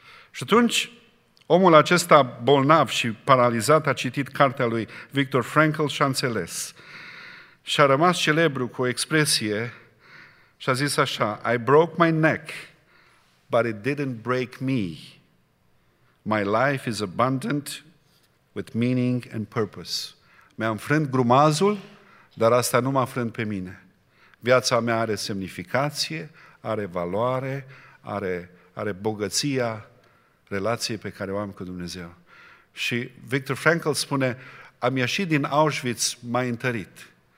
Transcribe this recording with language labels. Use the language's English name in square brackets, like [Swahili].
[Romanian] Și atunci, omul acesta bolnav și paralizat a citit cartea lui Viktor Frankl și a înțeles. Și a rămas celebru cu o expresie și a zis așa, [English] I broke my neck, but it didn't break me. My life is abundant with meaning and purpose. [Romanian] Mi-a înfrânt grumazul, dar asta nu m-a înfrânt pe mine. Viața mea are semnificație, are valoare, are bogăția relației pe care o am cu Dumnezeu. Și Viktor Frankl spune, am ieșit din Auschwitz mai întărit.